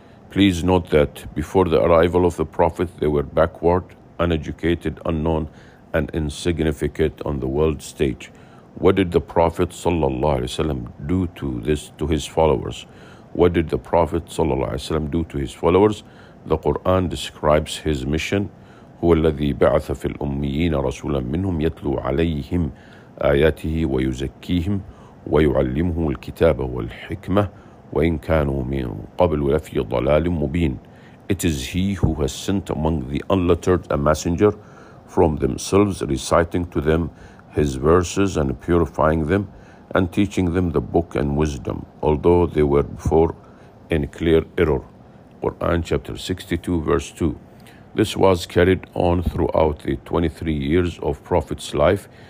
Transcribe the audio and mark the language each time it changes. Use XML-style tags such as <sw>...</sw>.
<en>Please note that before the arrival of the Prophet, they were backward, uneducated, unknown, and insignificant on the world stage. What did the Prophet sallallahu alaihi wasallam do to this to his followers? What did the Prophet sallallahu alaihi wasallam do to his followers? The Quran describes his mission.</en> <ar>هو الذي بعث في الأميين رسولا منهم يتلو عليهم آياته ويزكيهم ويعلمهم الكتاب والحكمة وإن كانوا من قبل لفي ضلال مبين.</ar> <en>It is he who has sent among the unlettered a messenger from themselves, reciting to them his verses and purifying them and teaching them the book and wisdom, although they were before in clear error. Quran chapter 62 verse 2. This was carried on throughout the 23 years of Prophet's life.</en>